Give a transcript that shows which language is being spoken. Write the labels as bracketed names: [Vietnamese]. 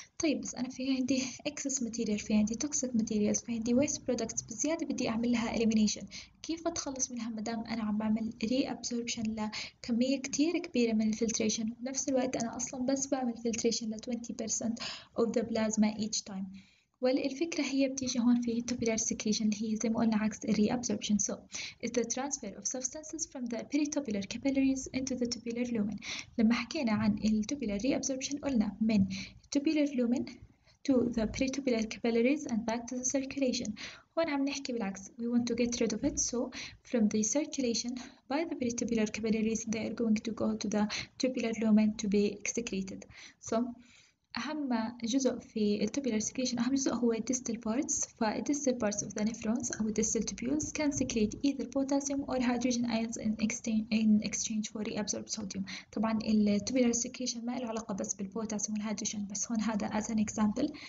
[Arabic] طيب بس أنا في عندي excess material، في عندي toxic materials، في عندي waste products بزيادة بدي أعمل لها elimination. كيف أتخلص منها مدام أنا عم بعمل reabsorption لكمية كتير كبيرة من الفلتريشن، وبنفس الوقت أنا أصلا بس بعمل filtration ل [English] 20% of the plasma each time؟ [Arabic] والفكرة هي بتيجي هون في tubular secretion اللي هي زي ما قلنا عكس reabsorption. So it's the transfer of substances from the peritubular capillaries into the tubular lumen. لما حكينا عن [English] tubular reabsorption قلنا من tubular lumen to the peritubular capillaries and back to the circulation. [Arabic] هون عم نحكي بالعكس. [English] We want to get rid of it. So from the circulation by the vertebral capillaries they are going to go to the tubular lumen to be excreted. [Arabic] So أهم جزء في ال tubular secretion أهم جزء هو distal parts. [English] ف distal parts of the nephrons أو distal tubules can secrete either potassium or hydrogen ions in exchange for reabsorbed sodium. [Arabic] طبعا ال tubular secretion ما له علاقة بس بالبوتاسيوم والهيدروجين, بس هون هذا [English] as an example.